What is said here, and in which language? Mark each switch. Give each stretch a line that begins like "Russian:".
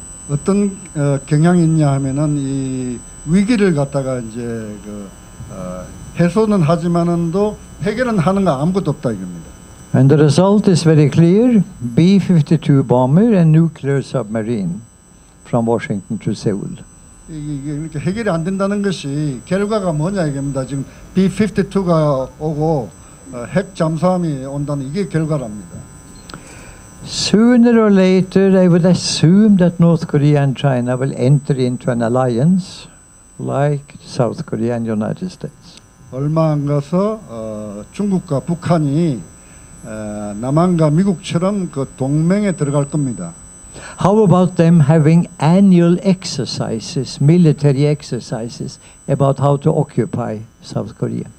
Korean: 어떤 경향이 있냐 하면은 이 위기를 갖다가 이제 그 해소는 하지만도 해결은 하는 거 아무것도 없다 이겁니다.
English: And the result is very clear. B-52 bomber and nuclear submarine from Washington to Seoul.
Korean: 이게 해결이 안 된다는 것이 결과가 뭐냐 이겁니다. 지금 B-52가 오고 핵 잠수함이 온다는 이게 결과랍니다.
English: Sooner or later, I would assume that North Korea and China will enter into an alliance like South Korea and United States.
Korean: 얼마 안 가서 중국과 북한이 남한과 미국처럼 그 동맹에 들어갈 겁니다.
English: How about them having annual exercises, military exercises about how to occupy South Korea?